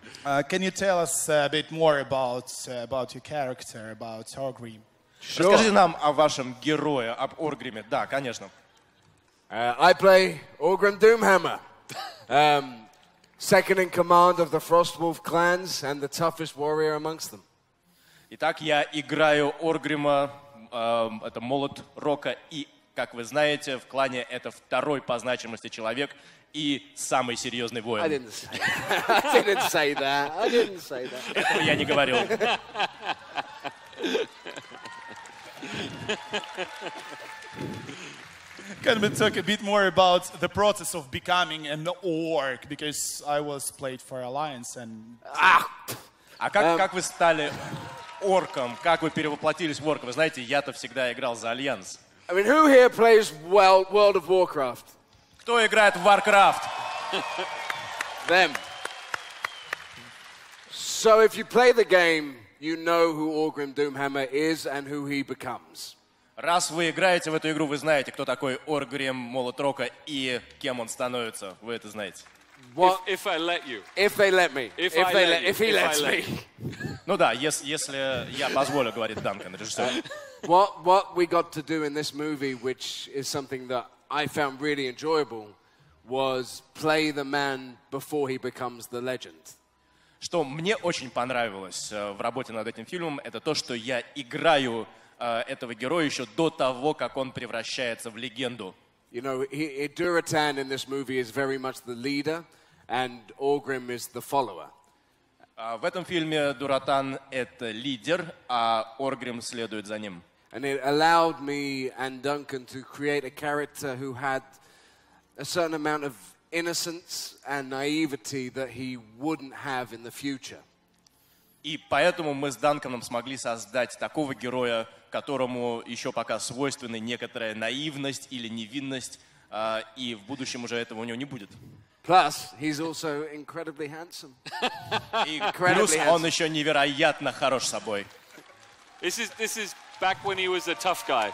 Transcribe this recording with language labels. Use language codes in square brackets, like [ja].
[en] Can you tell us a bit more about your character, about Orgrim? Sure. [ru] Расскажи нам о вашем герое, об Оргриме. Да, конечно. [en] I play Orgrim Doomhammer. Second in command of the Frostwolf clans and the toughest warrior amongst them. [ru] Итак, я играю Оргрима, это молот рока, и, как вы знаете, в клане это второй по значимости человек и самый серьезный воин. [en] I didn't say that. [ru] Этого я не говорил. [en] Can we talk a bit more about the process of becoming an orc? Because I was played for Alliance and... [ru] А как вы стали... Орком, как вы перевоплотились в орка? Вы знаете, я-то всегда играл за Альянс. [en] I mean, who here plays World of Warcraft? [ru] Кто играет в Warcraft? [en] Them. So if you play the game, you know who Orgrim Doomhammer is and who he becomes. [ru] Раз вы играете в эту игру, вы знаете, кто такой Оргрим Молот Рока и кем он становится. Вы это знаете. [en] What? If I let you. If they let me. If he lets me. [ru] Ну да, если я позволю, говорит Данкан, режиссер. [en] What we got to do in this movie, which is something that I found really enjoyable, was play the man before he becomes the legend. [ru] Что мне очень понравилось в работе над этим фильмом, это то, что я играю этого героя еще до того, как он превращается в легенду. [en] You know, Durotan in this movie is very much the leader, and Orgrim is the follower. [ru] В этом фильме Дуратан это лидер, а Оргрим следует за ним. [en] And it allowed me and Duncan to create a character who had a certain amount of innocence and naivety that he wouldn't have in the future. [ru] И поэтому мы с Данканом смогли создать такого героя, которому еще пока свойственна некоторая наивность или невинность, и в будущем уже этого у него не будет. [en] Plus, he's also incredibly handsome. [ru] Плюс он еще невероятно хорош собой. [en] This is back when he was a tough guy.